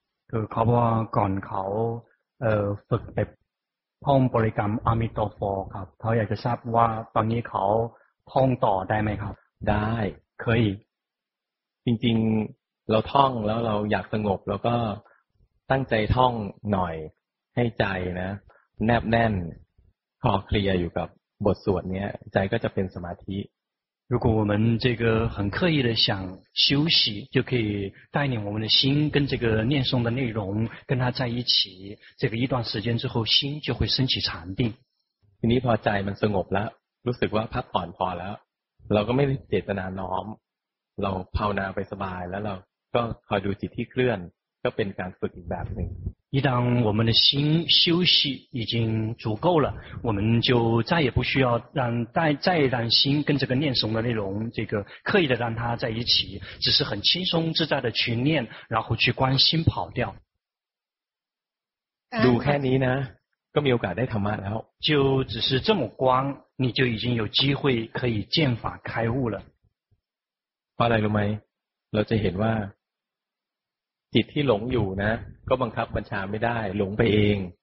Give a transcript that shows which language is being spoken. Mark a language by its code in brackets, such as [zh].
[th] คือเขาบอกว่าก่อนเขาฝึกแบบท่องบริกรรมอะมิโตโฟครับเขาอยากจะทราบว่าตอนนี้เขาท่องต่อได้ไหมครับ ได้เคยจริงๆเราท่องแล้วเราอยากสงบแล้วก็ตั้งใจท่องหน่อยให้ใจนะแนบแน่นคลอเคลียอยู่กับบทสวดเนี้ยใจก็จะเป็นสมาธิ [zh] 如果我们这个很刻意的想休息就可以带领我们的心跟这个念诵的内容跟它在一起这个一段时间之后心就会升起禅定 [th] ทีนี้พอใจมันสงบแล้วรู้สึกว่าพักผ่อนพอแล้วเราก็ไม่ได้เจตนาน้อมเราภาวนาไปสบายแล้วเราก็คอยดูจิตที่เคลื่อนก็เป็นการฝึกอีกแบบหนึ่ง [zh] 一旦我们的心休息已经足够了我们就再也不需要让再让心跟这个念诵的内容这个刻意的让它在一起只是很轻松自在的去念然后去观心跑掉 [th] ดูแค่นี้นะก็มีโอกาสได้ธรรมะแล้ว [zh] 就只是这么观你就已经有机会可以见法开悟了 [th] ว่าอะไรรู้ไหมเราจะเห็นว่าจิตที่หลงอยู่นะก็บังคับบัญชาไม่ได้หลงไปเอง